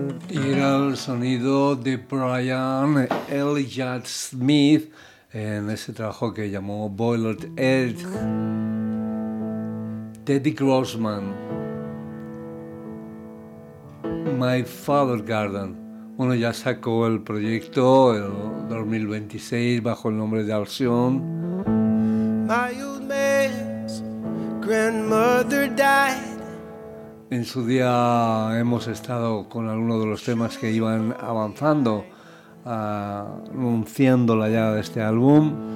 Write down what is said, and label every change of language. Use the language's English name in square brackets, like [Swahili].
[Spanish] Era el sonido de Brian Elliott Smith en ese trabajo que llamó Boiled Egg. Teddy Grossman. My Father Garden. Bueno, ya sacó el proyecto el 2026 bajo el nombre de Alción. [English] My old man's grandmother died. [Spanish] En su día hemos estado con algunos de los temas que iban avanzando, anunciando la llegada de este álbum.